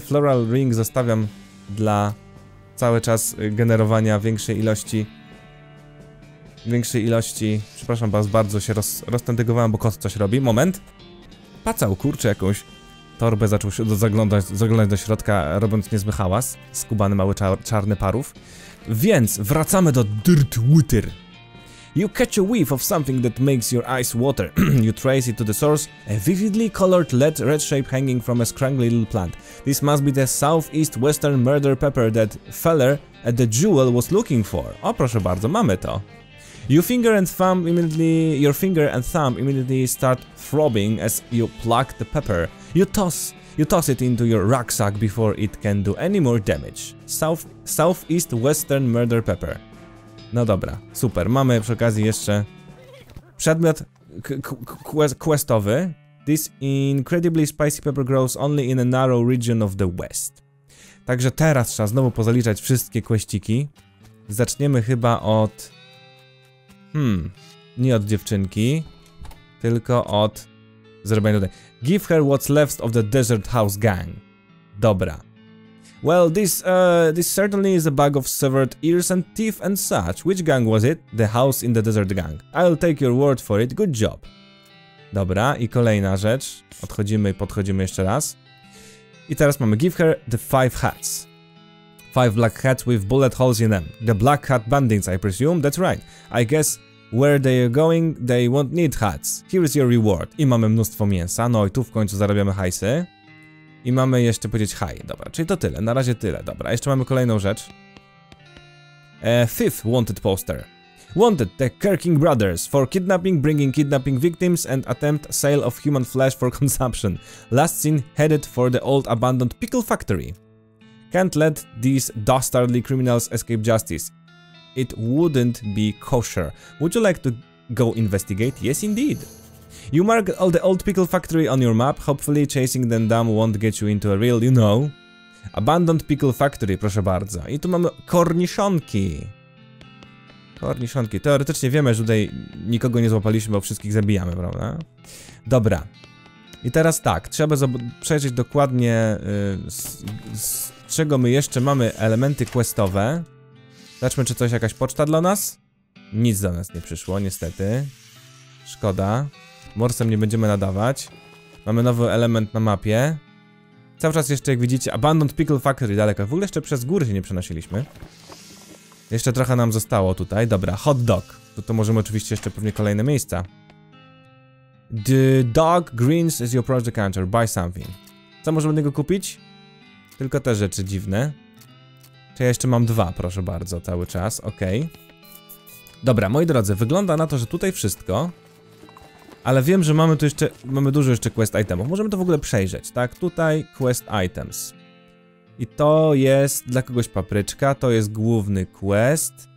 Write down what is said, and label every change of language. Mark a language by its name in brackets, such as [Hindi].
[Polish] Floral ring zostawiam dla cały czas generowania większej ilości. Przepraszam was, bardzo się roztentygowałem, bo kot coś robi. Moment. Pacał, kurczę, jakąś torbę zaczął się zaglądać do środka, robiąc niezły hałas. Skubany mały czarny parów. Więc wracamy do Dirt Wither. [English] You catch a whiff of something that makes your eyes water. You trace it to the source, a vividly colored red shape hanging from a scraggly little plant. This must be the southeast western murder pepper that feller at the jewel was looking for. [Polish] O, proszę bardzo, mamy to. [English] Your finger and thumb immediately start throbbing as you pluck the pepper. You toss it into your rucksack before it can do any more damage. Southeast western murder pepper. [Polish] No dobra, super. Mamy przy okazji jeszcze przedmiot questowy. [English] This incredibly spicy pepper grows only in a narrow region of the west. [Polish] Także teraz trzeba znowu pozaliczać wszystkie questiki. Zaczniemy chyba od... nie od dziewczynki, tylko od zrobienia tutaj. [English] Give her what's left of the Desert House Gang. [Polish] Dobra. [English] Well, this certainly is a bag of severed ears and teeth and such. Which gang was it? The House in the Desert Gang. I'll take your word for it. Good job. [Polish] Dobra, i kolejna rzecz. Odchodzimy i podchodzimy jeszcze raz. I teraz mamy. [English] Give her the five hats. Five black hats with bullet holes in them. The black hat bandits, I presume. That's right. I guess where they are going, they won't need hats. Here is your reward. [Polish] I mamy mnóstwo mięsa. No i tu w końcu zarabiamy hajsy. I mamy jeszcze powiedzieć hi. Dobra, czyli to tyle. Na razie tyle. Dobra, jeszcze mamy kolejną rzecz. [English] Fifth wanted poster. Wanted, the Kirking Brothers. For kidnapping, bringing kidnapping victims and attempt sale of human flesh for consumption. Last seen headed for the old abandoned pickle factory. Can't let these dastardly criminals escape justice. It wouldn't be kosher. Would you like to go investigate? Yes, indeed. You mark all the old pickle factory on your map, hopefully chasing them down won't get you into a real, you know. [Polish] Abandoned pickle factory, proszę bardzo. I tu mamy korniszonki. Korniszonki. Teoretycznie wiemy, że tutaj nikogo nie złapaliśmy, bo wszystkich zabijamy, prawda? Dobra. I teraz tak, trzeba przejrzeć dokładnie, z czego my jeszcze mamy elementy questowe. Zobaczmy, czy coś, jakaś poczta dla nas? Nic do nas nie przyszło, niestety. Szkoda. Morsem nie będziemy nadawać. Mamy nowy element na mapie. Cały czas jeszcze, jak widzicie, Abandoned Pickle Factory daleko. W ogóle jeszcze przez góry się nie przenosiliśmy. Jeszcze trochę nam zostało tutaj. Dobra, hot dog. To możemy oczywiście jeszcze pewnie kolejne miejsca. [English] The dog greens is your project counter. Buy something. [Polish] Co możemy do niego kupić? Tylko te rzeczy dziwne. To ja jeszcze mam dwa, proszę bardzo, cały czas. Okej. Dobra, moi drodzy, wygląda na to, że tutaj wszystko. Ale wiem, że mamy tu jeszcze, mamy dużo jeszcze quest itemów. Możemy to w ogóle przejrzeć, tak? Tutaj quest items. I to jest dla kogoś papryczka, to jest główny quest.